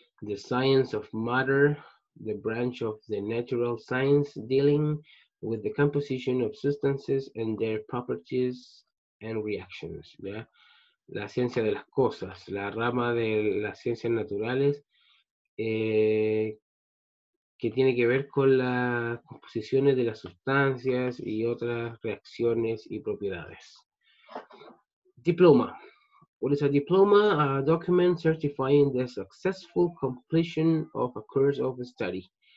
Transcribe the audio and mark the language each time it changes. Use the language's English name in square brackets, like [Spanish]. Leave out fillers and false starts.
[English] The science of matter, the branch of the natural science dealing with the composition of substances and their properties and reactions, ¿ya? [Spanish] La ciencia de las cosas, la rama de las ciencias naturales que tiene que ver con las composiciones de las sustancias y otras reacciones y propiedades. [English] Diploma. What is a diploma? A document certifying the successful completion of a course of study.